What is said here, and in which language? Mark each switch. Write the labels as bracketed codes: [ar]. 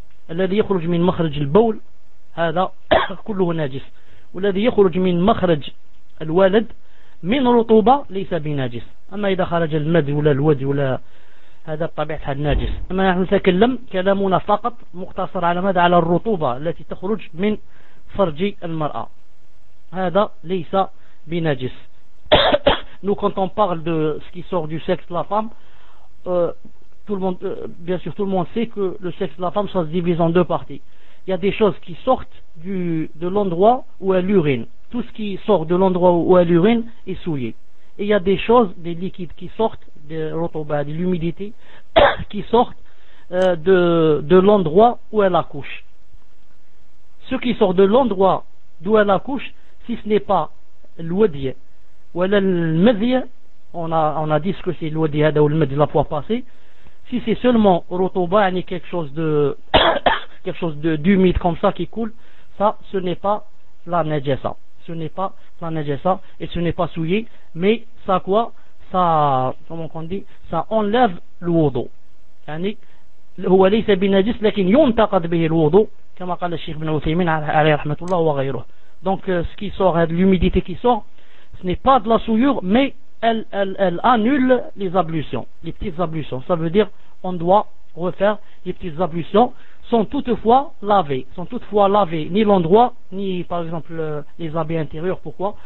[ar] الذي يخرج من مخرج البول هذا كله ناجس والذي يخرج من مخرج الولد من رطوبة ليس بناجس أما إذا خرج المذي ولا الودي ولا هذا بطبيعة الناجس أما نحن نتكلم كلامنا فقط مقتصر على ماذا على الرطوبة التي تخرج من فرج المرأة هذا ليس بناجس [fr] Nous, quand on parle de ce qui sort du sexe de la femme, tout le monde, bien sûr, tout le monde sait que le sexe de la femme, ça se divise en deux parties. Il y y a des choses qui sortent de l'endroit où elle urine. Tout ce qui sort de l'endroit où elle urine est souillé. Et il y a des choses, des liquides qui sortent, des rotobas, de l'humidité, qui sortent de l'endroit où elle accouche. Ce qui sort de l'endroit d'où elle accouche, si ce n'est pas l'ouadiyah ou l'almadiyah, on a dit ce que c'est l'ouadiyah ou l'almadiyah la fois passée, si c'est seulement rotobas, il y a quelque chose d'humide comme ça qui coule, ça, ce n'est pas la najasa. Ce n'est pas la najasa et ce n'est pas souillé, mais ça quoi, ça, comment on dit, ça enlève le wudu. [ar] Yani هو ليس بنجس لكن ينتقد به الوضوء كما قال الشيخ ابن عثيمين عليه رحمة الله وغيره. [fr] Donc ce qui sort, l'humidité qui sort, ce n'est pas de la souillure, mais elle annule les ablutions, les petites ablutions. Ça veut dire on doit refaire les petites ablutions sont toutefois lavées, ni l'endroit ni par exemple les habits intérieurs. Pourquoi?